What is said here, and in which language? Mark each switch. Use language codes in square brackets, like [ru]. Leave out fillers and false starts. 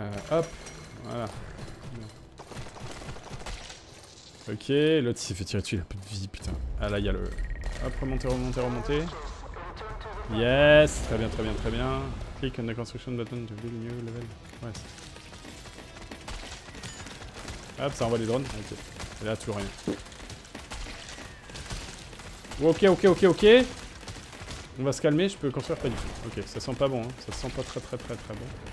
[fr] Hop, voilà. Ok, l'autre s'est fait tirer dessus, il a plus de vie, putain. Ah là, il y a le... Hop, remonter, remonter, remonter. Yes, très bien, très bien, très bien. [en] Click on the construction button to build new level. [fr] Ouais. Hop, ça envoie les drones. Ok. Et là, toujours rien. Ok, ok, ok, ok. On va se calmer, je peux construire pas du tout. Ok, ça sent pas bon, hein. Ça sent pas très, très, très, très bon.